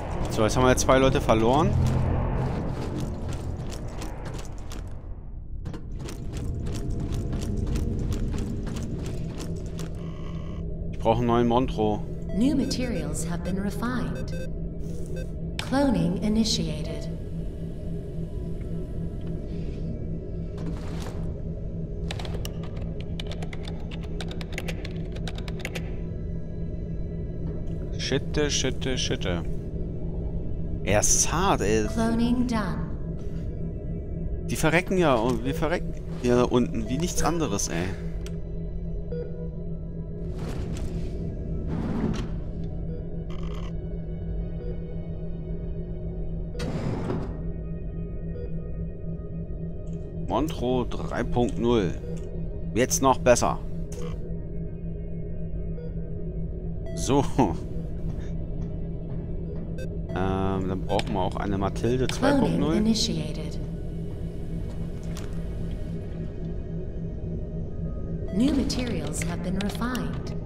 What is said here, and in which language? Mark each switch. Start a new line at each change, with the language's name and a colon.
German: So, jetzt haben wir 2 Leute verloren. Ich brauche einen neuen Montro.
English: New materials have been refined. Cloning initiated.
German: Shitte, shitte, shitte. Er ist hart, ey.
English: Cloning done.
German: Die verrecken ja und wir verrecken hier da unten wie nichts anderes, ey. Montro 3.0. Jetzt noch besser. So. Dann brauchen wir auch eine Mathilde 2.0.
English: New materials have been refined.